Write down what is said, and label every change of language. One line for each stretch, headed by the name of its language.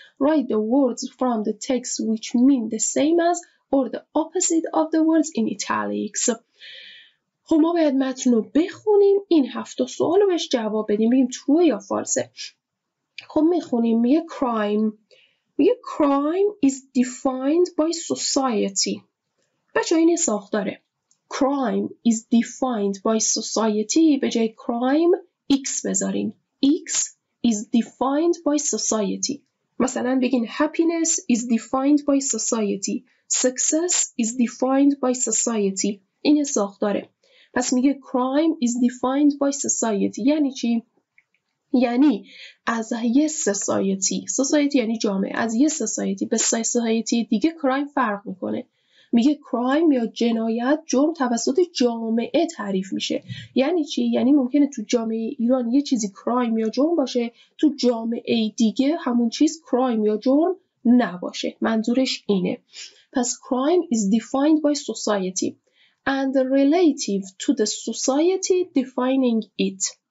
English: Write the words from the text which mean the same as or the opposite of the words in italics.
Persian: خب ما باید متن رو بخونیم، این 7 سوال رو بهش جواب بدیم، بگیم true یا false. خب میخونیم، میگه
English: crime. میگه crime is defined by society.
Persian: بچه این ساختاره.
English: Crime is defined by society.
Persian: به جای
English: crime x
Persian: بذارین.
English: X is defined by society.
Persian: مثلا بگین
English: happiness is defined by society. Success is defined by society.
Persian: این ساختاره. پس میگه
English: crime is defined by society.
Persian: یعنی چی؟ یعنی از یه society. Society یعنی جامعه. از یه society به society دیگه crime فرق میکنه. میگه کرایم یا جنایت، جرم توسط جامعه تعریف میشه. یعنی چی؟ یعنی ممکنه تو جامعه ایران یه چیزی کرایم یا جرم باشه، تو جامعه دیگه همون چیز کرایم یا جرم نباشه. منظورش اینه.
English: پس crime is defined by society and relative to the society defining it.